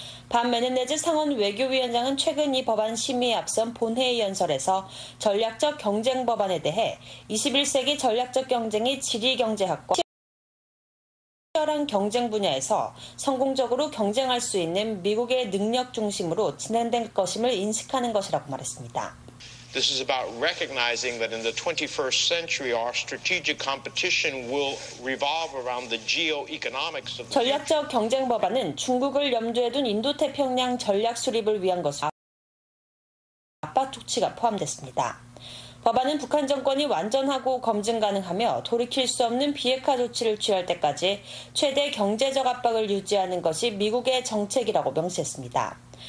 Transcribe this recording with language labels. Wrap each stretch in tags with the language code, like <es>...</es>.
<ko>반 메넨데즈 상원 외교위원장은 최근 이 법안 심의에 앞선 본회의 연설에서 전략적 경쟁 법안에 대해 21세기 전략적 경쟁이 지리 경제학과 치열한 경쟁 분야에서 성공적으로 경쟁할 수 있는 미국의 능력 중심으로 진행될 것임을 인식하는 것이라고 말했습니다.</ko> <en>This is about recognizing that in the 21st century, our strategic competition will revolve around the geo-economics of the</en> <ko>전략적 경쟁 법안은 중국을 염두에 둔 인도태평양 전략 수립을 위한 것으로 압박 조치가 포함됐습니다. 법안은 북한 정권이 완전하고 검증 가능하며 돌이킬 수 없는 비핵화 조치를 취할 때까지 최대 경제적 압박을 유지하는 것이 미국의 정책이라고 명시했습니다.</ko>